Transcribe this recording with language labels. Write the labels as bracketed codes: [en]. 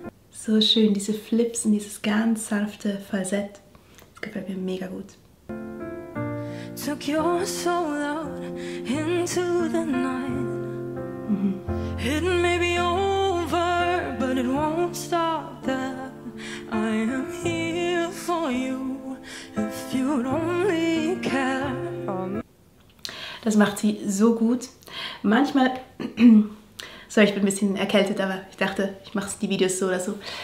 [de] So schön, diese Flips und dieses ganz sanfte Falsett. Das gefällt mir mega gut. [en] Took your soul out into the night. Hidden maybe over, but it won't stop there. I am here for you, if you'd only care. [de] Das macht sie so gut. Manchmal... Sorry, ich bin ein bisschen erkältet, aber ich dachte, ich mache die Videos so oder so.